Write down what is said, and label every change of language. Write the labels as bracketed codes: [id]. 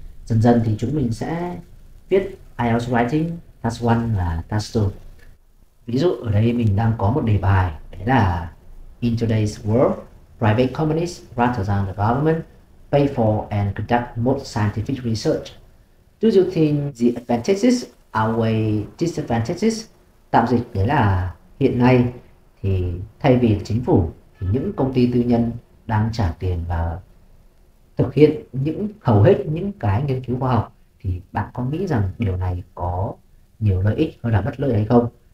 [vi] Dần dần thì chúng mình sẽ viết IELTS writing, task 1 và task 2. Ví dụ ở đây mình đang có một đề bài, đấy là [en] In today's world, private companies rather than the government pay for and conduct most scientific research. Do you think the advantages outweigh disadvantages? [vi] Tạm dịch đấy là hiện nay thì thay vì chính phủ thì những công ty tư nhân đang trả tiền và thực hiện những hầu hết những cái nghiên cứu khoa học, thì bạn có nghĩ rằng điều này có nhiều lợi ích hơn là bất lợi hay không?